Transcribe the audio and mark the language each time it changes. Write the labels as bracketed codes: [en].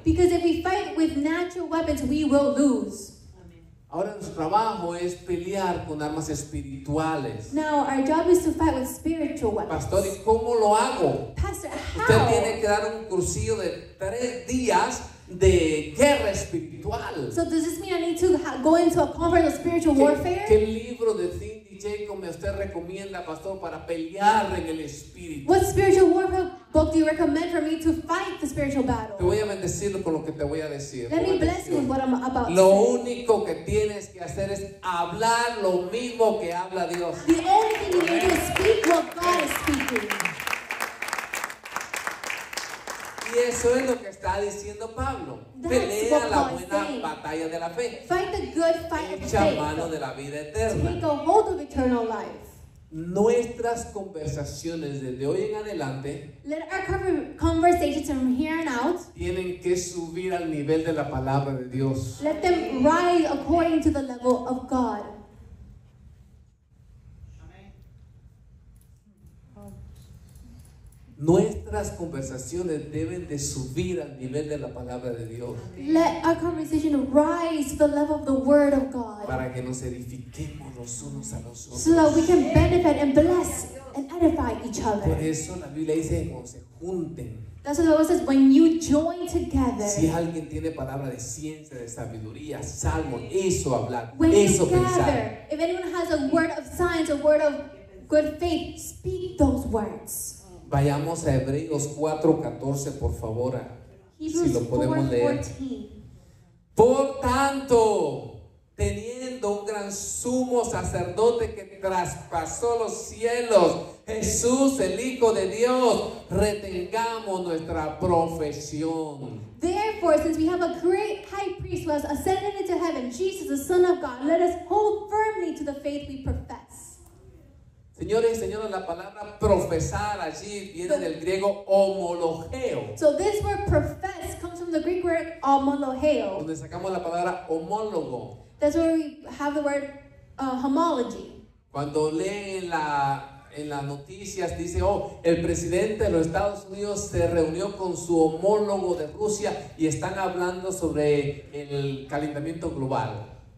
[en] Because if we fight with natural weapons, we will lose. [es] Ahora nuestro trabajo es pelear con armas espirituales. [en] Now our job is to fight with spiritual weapons. [es] Pastor, ¿y cómo lo hago? [en] Pastor, how? [es] Usted tiene que dar un cursillo de 3 días de guerra espiritual. [en] So does this mean I need to go into a conference of spiritual warfare? [es] ¿Qué libro de Cindy Jacob me usted recomienda, pastor, para pelear en el espíritu? [en] What spiritual warfare book do you recommend for me to fight the spiritual battle? [es] Te voy a bendecirlo con lo que te voy a decir. [en] Let me bless you with what I'm about [es] lo [en] to say. [es] Lo único que tienes que hacer es hablar lo mismo que habla Dios. [en] The only thing you need to speak what God is speaking. [es] Y eso es lo que está diciendo Pablo. Pelea la buena batalla de la fe. [en] Fight the good fight of faith. [es] Echa mano de la vida eterna. [en] Take a hold of eternal life. [es] Nuestras conversaciones desde hoy en adelante [en] let our conversations from here on out [es] tienen que subir al nivel de la palabra de Dios. [en] Let them rise according to the level of God. [es] Nuestras conversaciones deben de subir al nivel de la palabra de Dios. [en] Let our conversation rise to the level of the word of God. [es] Para que nos edifiquemos los unos a los otros. [en] So that we can benefit and bless and edify each other. [es] Por eso la Biblia dice cuando se junten. [en] That's what the Bible says, when you join together. [es] Si alguien tiene palabra de ciencia, de sabiduría, salmo, eso hablar, [en] when [es] eso [en] together, [es] pensar. [en] If anyone has a word of science, a word of good faith, speak those words. [es] Vayamos a Hebreos 4:14, por favor, si lo podemos leer. Por tanto, teniendo un gran sumo sacerdote que traspasó los cielos, Jesús, el Hijo de Dios, retengamos nuestra profesión. [en] Therefore, since we have a great high priest who has ascended into heaven, Jesus, the Son of God, let us hold firmly to the faith we profess. [es] Señores y señoras, la palabra profesar allí viene del griego homologeo. [en] So this word profess comes from the Greek word homologeo. [es] Donde sacamos la palabra homólogo. [en] That's where we have the word homology. [es] Cuando leen en las noticias dice, oh, el presidente de los Estados Unidos se reunió con su homólogo de Rusia y están hablando sobre el calentamiento global.